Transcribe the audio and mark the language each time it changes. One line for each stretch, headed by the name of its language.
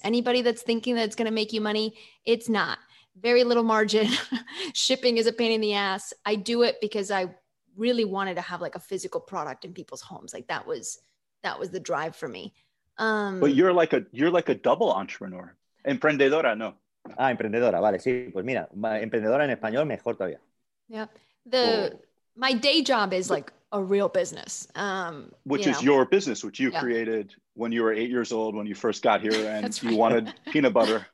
English: Anybody that's thinking that it's going to make you money, it's not. Very little margin. Shipping is a pain in the ass. I do it because I really wanted to have like a physical product in people's homes. Like that was the drive for me. But you're like a double entrepreneur.
Spanish: Emprendedora, no. Ah, emprendedora. Vale, sí. Pues mira, emprendedora en español mejor todavía.
English: Yeah. My day job is like a real business. Is your business, which you created when you were 8 years old, when you first got here and you wanted peanut butter.